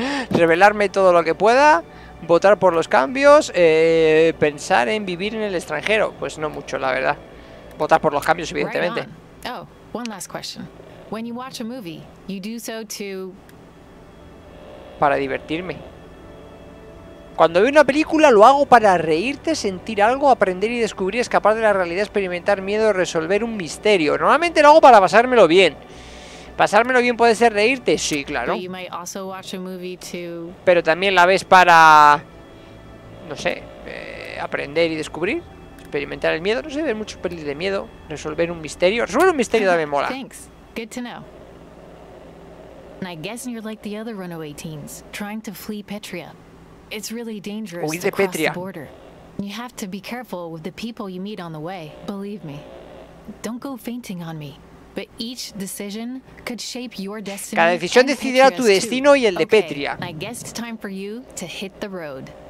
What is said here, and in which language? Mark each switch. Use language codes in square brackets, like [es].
[es] Rebelarme todo lo que pueda, votar por los cambios, pensar en vivir en el extranjero. Pues no mucho, la verdad. Votar por los cambios, evidentemente. [en] Right on. Oh. One last question. When you watch a movie, you do so to... [es] Para divertirme. Cuando veo una película, lo hago para reírte, sentir algo, aprender y descubrir, escapar de la realidad, experimentar miedo, resolver un misterio. Normalmente lo hago para pasármelo bien. ¿Pasármelo bien puede ser reírte? Sí, claro. [en] You might also watch a movie to... [es] Pero también la ves para... No sé, aprender y descubrir. Experimentar el miedo, no sé, ver muchos pelis de miedo, resolver un misterio. Resolver un misterio también mola. [en] Thanks. Good to know. And I guess you're like the other runaway teens, trying to flee Petria. It's really dangerous to cross the border. You have to be careful with the people you meet on the way, believe me. Don't go fainting on me. But each decision could shape your destiny. [es] Cada decisión decidirá tu destino y el de Petria. [en] Okay. I guess it's time for you to hit the road.